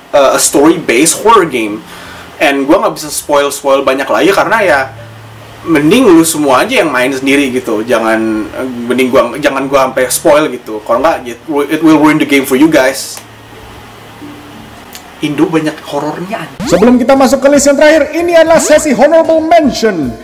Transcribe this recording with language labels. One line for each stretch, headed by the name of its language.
English: A story-based horror game.
Indonesian: And gue gak bisa spoil-spoil banyak lagi karena ya, mending lu semua aja yang main sendiri gitu. Jangan gue sampai spoil gitu. Kalau gak,
English: it will ruin the game for you guys.
Indonesian: Indo banyak horornya. Sebelum kita masuk ke list yang terakhir, ini adalah sesi honorable mention.